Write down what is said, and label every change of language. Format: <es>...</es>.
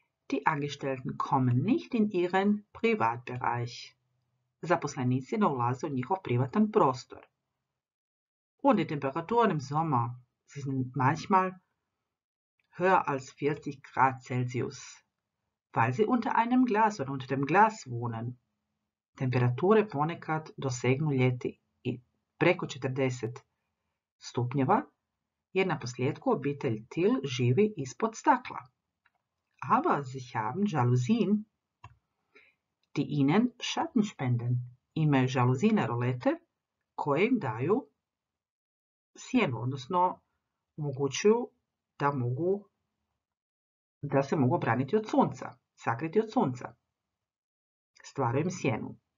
<de>Die Angestellten kommen nicht in ihren Privatbereich.</de> <hr>Zaposlenici ne ulaze u njihov privatan prostor.</hr> <de>Und die Temperaturen im Sommer, sie sind manchmal höher als 40 Grad Celsius, weil sie unter einem Glas oder unter dem Glas wohnen.</de> <hr>Temperature ponekad dosegnu ljeti i preko 40 stupnjeva, jer na posljedku obitelj Till živi ispod stakla.</hr> <de>Aber sie haben Jalousien, die ihnen Schatten spenden.</de> <hr>Imaju žaluzine rolete koje im daju sjenu, odnosno omogućuju da mogu da se mogu braniti od sunca, sakriti od sunca. Stvaraju im sjenu.</hr>